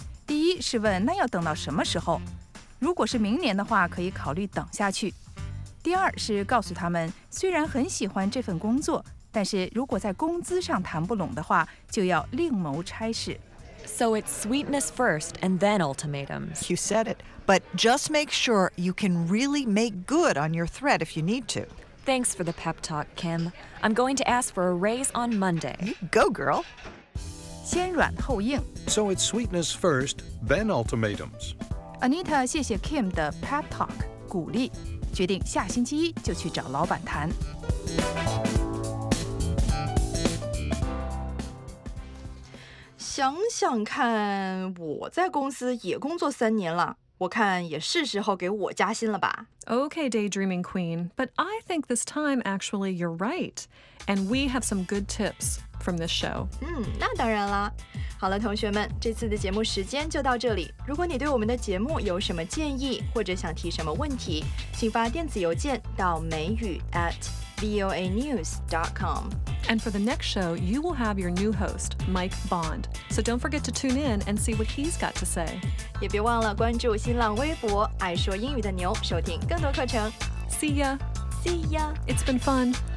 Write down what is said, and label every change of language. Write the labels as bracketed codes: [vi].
[zh] 第一是问那要等到什么时候？如果是明年的话，可以考虑等下去。第二是告诉他们，虽然很喜欢这份工作，但是如果在工资上谈不拢的话，就要另谋差事。 [en] So it's sweetness first and then ultimatums. You said it, but just make sure you can really make good on your threat if you need to. Thanks for the pep talk, Kim. I'm going to ask for a raise on Monday. Go, girl. [zh] 先软后硬。 [en] So it's sweetness first, then ultimatums. [zh] Anita 谢谢 Kim 的 pep talk 鼓励，决定下星期一就去找老板谈。想想看，我在公司也工作三年了，我看也是时候给我加薪了吧。 [en] Okay, daydreaming queen, but I think this time actually you're right. And we have some good tips from this show. [zh] 那当然了。好了，同学们，这次的节目时间就到这里。如果你对我们的节目有什么建议，或者想提什么问题，请发电子邮件到美语 @voanews.com。 [en] And for the next show, you will have your new host, Mike Bond. So don't forget to tune in and see what he's got to say. [zh] 也别忘了关注新浪微博“爱说英语的牛”，收听更多课程。 [en] See ya. See ya. It's been fun.